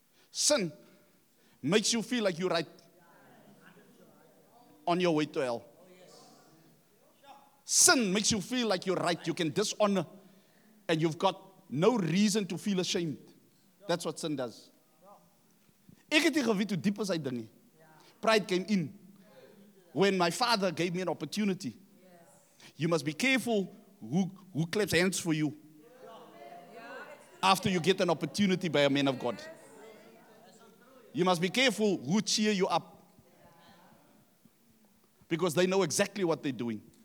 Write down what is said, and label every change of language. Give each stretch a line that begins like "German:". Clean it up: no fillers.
English: Sin makes you feel like you're right on your way to hell. Sin makes you feel like you're right. You can dishonor and you've got no reason to feel ashamed. That's what sin does.
Afrikaans: Ek het nie geweet hoe diep is hy ding nie.
English: Pride came in when my father gave me an opportunity. You must be careful who claps hands for you after you get an opportunity by a man of God. You must be careful who cheer you up, because they know exactly what they're doing.